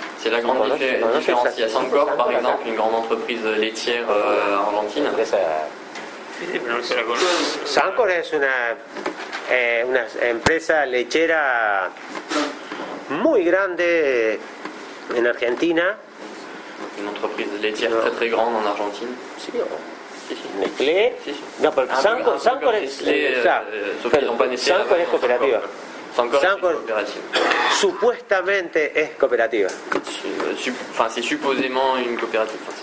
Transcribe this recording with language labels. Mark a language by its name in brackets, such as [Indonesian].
[French] c'est la grande différence. Il y a Sancor, par exemple, une grande entreprise laitière argentine. [Spanish] Sancor es una empresa lechera muy grande en Argentina. [French] Une entreprise laitière très très grande en Argentine. [Spanish] Nestlé, non, pero Sancor es cooperativa. Sancor supuestamente es cooperativa. [French] Enfin, c'est supposément une coopérative.